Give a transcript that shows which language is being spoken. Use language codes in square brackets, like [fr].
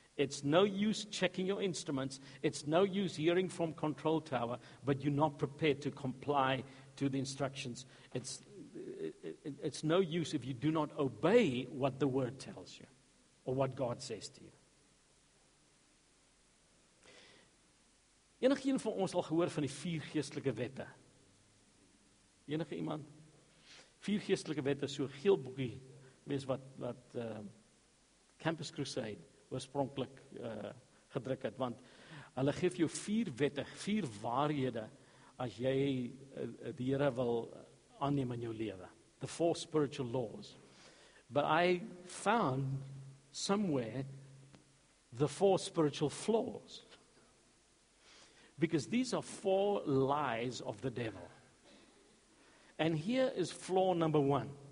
[en] It's no use checking your instruments, it's no use hearing from control tower, but you're not prepared to comply to the instructions. It's no use if you do not obey what the word tells you or what God says to you. [af] Enige een van ons al gehoor van die vier geestelike wette? Enige iemand? Vier geestelike wette, so geel boekie, mens wat Campus Crusade oorspronklik gedruk het, want hulle geef jou vier wette, vier waarhede, as jy die Here wil aanneem in jou lewe. [en] The four spiritual laws. But I found somewhere the four spiritual flaws. Because these are four lies of the devil. And here is flaw number one.